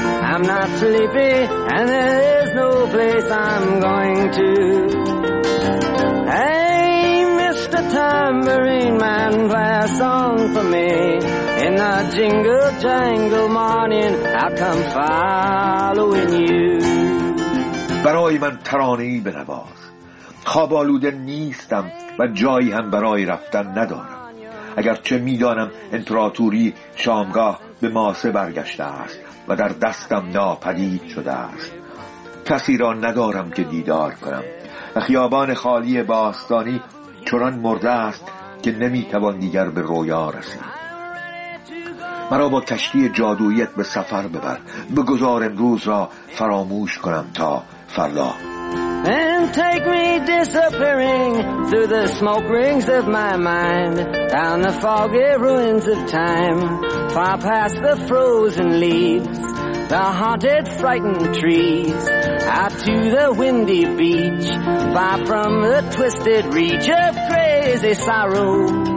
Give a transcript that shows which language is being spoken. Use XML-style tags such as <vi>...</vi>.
<en>I'm not sleepy, and there is no place I'm going to. Hey, Mr. Tambourine Man, play a song for me. In a jingle jangle morning, I'll come following you.</en> <fa>برای من ترانه‌ای بنواز. خواب آلوده نیستم و جایی هم برای رفتن ندارم. اگرچه میدانم امپراتوری شامگاه به ماسه برگشته است و در دستم ناپدید شده است. کسی را ندارم که دیدار کنم و خیابان خالی باستانی چنان مرده است که نمیتوان دیگر به رویا رسید. مرا با کشتی جادویت به سفر ببر، بگذار امروز را فراموش کنم تا فردا.</fa> <en>And take me disappearing through the smoke rings of my mind, down the foggy ruins of time, far past the frozen leaves, the haunted frightened trees, out to the windy beach, far from the twisted reach of crazy sorrow.</en>